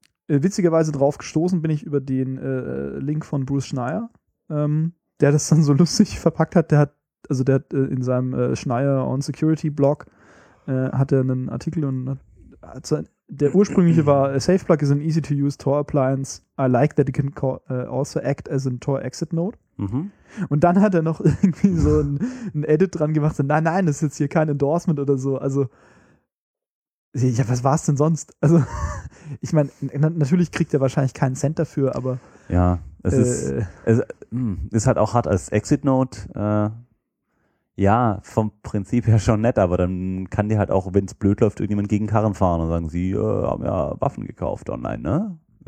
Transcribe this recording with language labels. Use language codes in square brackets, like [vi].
[de] witzigerweise drauf gestoßen bin ich über den Link von Bruce Schneier, der das dann so lustig verpackt hat. Der hat in seinem Schneier on Security Blog hat er einen Artikel und hat so, der ursprüngliche war: [en] Safe Plug is an easy to use Tor appliance. I like that it can call, also act as a Tor exit node. [de] Und dann hat er noch irgendwie so ein Edit dran gemacht. So, nein, das ist jetzt hier kein Endorsement oder so. Also, ja, was war es denn sonst? Also, ich meine, natürlich kriegt er wahrscheinlich keinen Cent dafür, aber... Ja, es ist halt auch hart als Exit-Node. Ja, vom Prinzip her schon nett, aber dann kann dir halt auch, wenn es blöd läuft, irgendjemand gegen Karren fahren und sagen, sie haben ja Waffen gekauft online, ne?